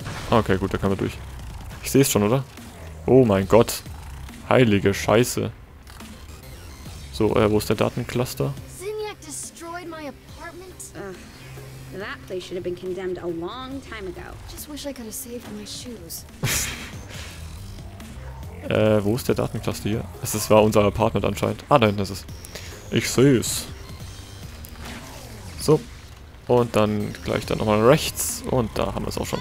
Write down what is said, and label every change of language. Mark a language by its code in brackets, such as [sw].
[de] Okay, gut, da kann man durch. Ich sehe es schon, oder? Oh mein Gott. Heilige Scheiße. So, wo ist der Datencluster? [en] Zinyak destroyed my apartment. That place should have been condemned a long time ago. Just wish I could have saved my shoes. [de] Wo ist der Datencluster hier? Es ist zwar unser Apartment anscheinend. Ah, da hinten ist es. Ich sehe es. So. Und dann gleich dann nochmal rechts. Und da haben wir es auch schon.